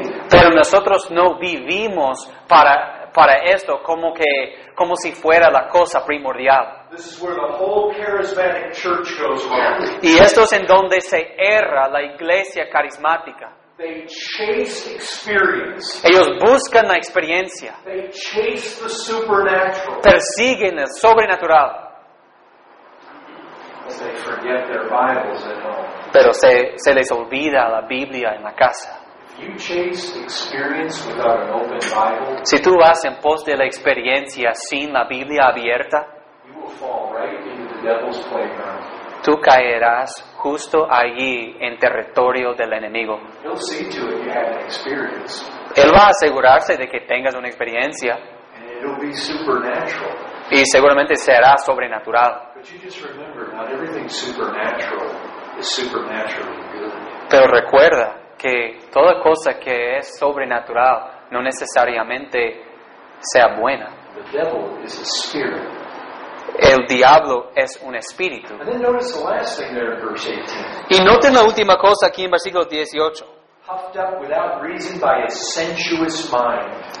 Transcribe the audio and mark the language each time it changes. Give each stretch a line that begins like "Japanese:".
Spanish: Pero nosotros no vivimos para esto como si fuera la cosa primordial.
English: This is where the whole charismatic church goes wrong.
Spanish: Y esto es en donde se erra la iglesia carismática.
English: They chase experience.
Spanish: Ellos buscan la experiencia.
English: They chase the supernatural.
Spanish: Persiguen el sobrenatural.
English: As they forget their Bibles at home.
Spanish: Pero se les olvida la Biblia en la casa.
English: You chase experience without an open Bible,
Spanish: si tú vas en pos de la experiencia sin la Biblia abierta,
English: you will fall right into the devil's playground.
Spanish: Tú caerás justo allí en territorio del enemigo.
English: He'll see to it you have an experience.
Spanish: Él va a asegurarse de que tengas una experiencia.
English: And it'll be supernatural.
Spanish: Y seguramente será sobrenatural.
English: But you just remember, not everything supernatural is supernaturally good.
Spanish: Pero recuerda que toda cosa que es sobrenatural no necesariamente sea buena.
English: The devil is a spirit.
Spanish: El diablo es un espíritu.
English: And then notice the last thing there in verse 18.
Spanish: Y noten la última cosa aquí en versículo 18.
English: Puffed up without reason by a sensuous mind.